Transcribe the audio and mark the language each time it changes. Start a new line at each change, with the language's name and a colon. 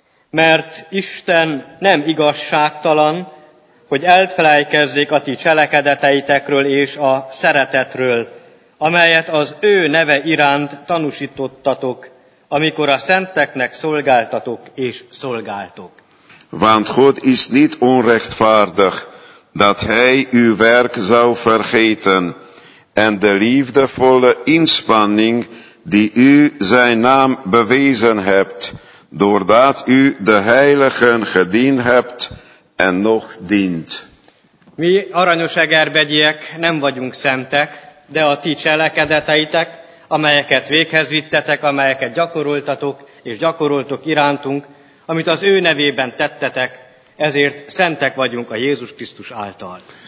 Hungarian: Mert Isten nem igazságtalan, hogy elfelejkezzék a ti cselekedeteitekről és a szeretetről, amelyet az ő neve iránt tanúsítottatok, amikor a szenteknek szolgáltatok és szolgáltok.
Dutch: Want God is niet onrechtvaardig, dat hij uw werk zou vergeten, en de liefdevolle inspanning die u zijn naam bewezen hebt, doordat u de heiligen gediend hebt en nog dient.
Hungarian: Mi aranyosegerbegyiek nem vagyunk szentek, de a ti cselekedeteitek, amelyeket véghez vittetek, amelyeket gyakoroltatok és gyakoroltok irántunk, amit az ő nevében tettetek, ezért szentek vagyunk a Jézus Krisztus által.